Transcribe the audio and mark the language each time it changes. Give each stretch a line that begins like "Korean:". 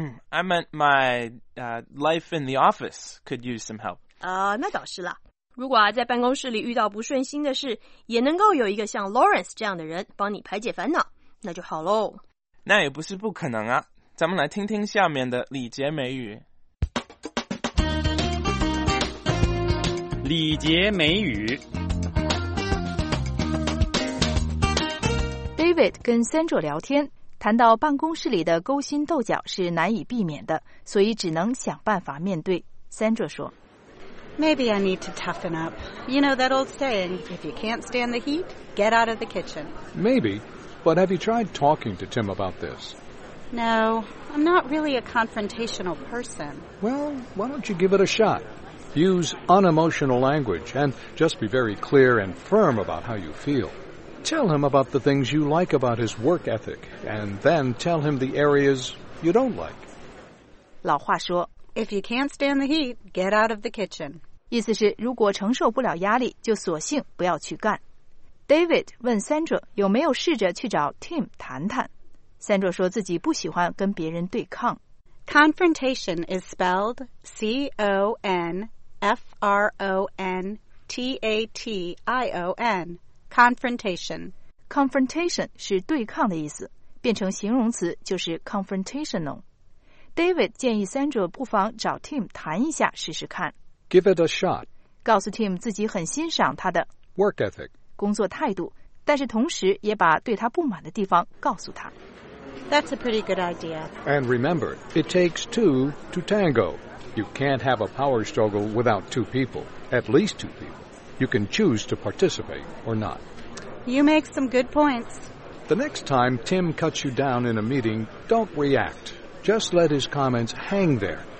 English: I meant my, life in the office could use some help.
Chinese: 那倒是啦。如果啊，在办公室里遇到不顺心的事，也能够有一个像 Lawrence 这样的人帮你排解烦恼，那就好喽。那也不是不可能啊。咱们来听听下面的礼节美语。礼节美语。 David 跟 Sandra 聊天，谈到办公室里的勾心斗角是难以避免的，所以只能想办法面对。Sandra 说。
English: Maybe I need to toughen up. You know that old saying, if you can't stand the heat, get out of the kitchen. Maybe, but have you tried talking to Tim about this? No, I'm not really a confrontational person. Well, why don't you give it a shot? Use unemotional language and just be very clear and firm about how you feel. Tell him about the things you like about his work ethic and then tell him the areas you don't like.
Chinese: 老话说
English: If you can't stand the heat, get out of the kitchen.
Chinese: 意思是如果承受不了压力就索性不要去干。 David 问 Sandra 有没有试着去找 Tim 谈谈。 Sandra 说自己不喜欢跟别人对抗。
English: Confrontation is spelled C-O-N-F-R-O-N-T-A-T-I-O-N. Confrontation.
Chinese: Confrontation 是对抗的意思变成形容词就是 confrontational。 David 建议 Sandra 不妨找 Tim 谈一下试试看。
English: Give it a shot.
Chinese: 告诉 Tim 自己很欣赏他的
English: work ethic
Chinese: 工作态度，但是同时也把对他不满的地方告诉他。
English: That's a pretty good idea. And remember, it takes two to tango. You can't have a power struggle without two people, at least two people. You can choose to participate or not. You make some good points. The next time Tim cuts you down in a meeting, don't react.Just let his comments hang there